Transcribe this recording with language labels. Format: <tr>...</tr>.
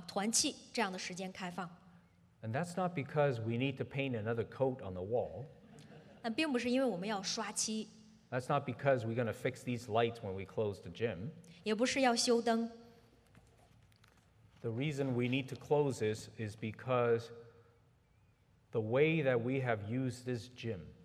<zh>这个活动中心呢，只仅仅只会对像我们这样的敬拜，还有主日学团契这样的时间开放。</zh> <en>And that's not because we need to paint another coat on the wall.</en> <zh>那并不是因为我们要刷漆。</zh> <en>That's not because we're going to fix these lights when we close the gym.</en> <zh>也不是要修灯。</zh> <en>The reason we need to close this is because the way that we have used this gym.</en>